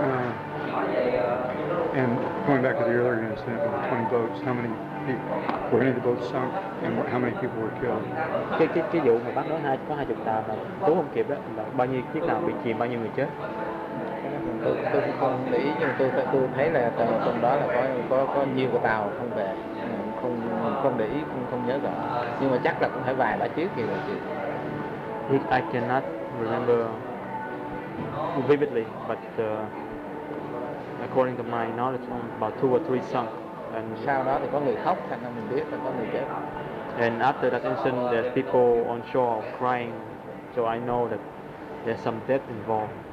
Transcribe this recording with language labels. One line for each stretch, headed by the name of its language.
English: And going back to the earlier incident with the 20 boats, how many people, were any of the boats sunk, and how many people were killed?
Vietnamese: Cái vụ mà bác nói hai có 20 tàu mà cứu không kịp đó, là bao nhiêu chiếc nào bị chìm, bao nhiêu người chết? Tôi không nghĩ, nhưng tôi thấy là trong đó là có nhiều cái tàu không về, không để ý, không nhớ rõ, nhưng mà chắc là cũng phải vài ba chiếc kìa.
English: I cannot remember vividly, but according to my knowledge, about two or three sunk. And
Vietnamese: sau đó thì có người khóc, thành ra mình biết là có người chết.
English: And after that incident, there's people on shore crying, so I know that there's some death involved.